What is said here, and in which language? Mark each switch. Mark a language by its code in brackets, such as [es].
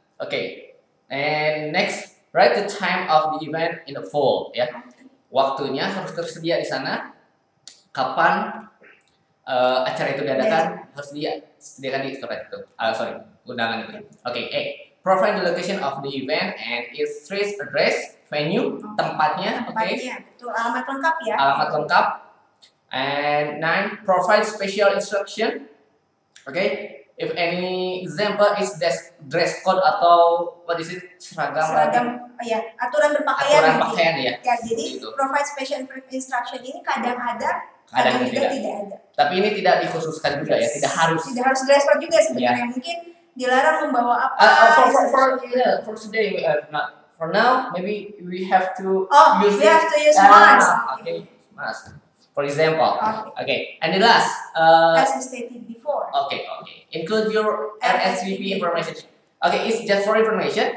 [en] Okay, and next, write the time of the event in the full, ya. [id] Waktunya harus tersedia di sana. Kapan acara itu diadakan, yeah, harus disediakan di surat itu. Sorry, undangan itu. Okay, A. [en] Provide the location of the event and its street address, venue, tempatnya. Okay. [id] Tempatnya, itu alamat lengkap ya. Alamat lengkap. [en] And 9. Provide special instruction. Okay, if any example is dress code [id] atau [en] what is it, seragam [id] ya, aturan berpakaian, aturan pakaian ya, ya, jadi gitu. [en] Provide special instruction [id] ini kadang ada, kadang juga tidak. Tidak ada, tapi ini tidak dikhususkan juga, yes, ya, tidak harus dress code juga sebenarnya, yeah. Mungkin dilarang membawa apa [en] for today, not for now, maybe we have to use mask. Okay, mask. For example, okay. And the last, as we stated before. Okay. Include your RSVP information. Okay, it's just for information.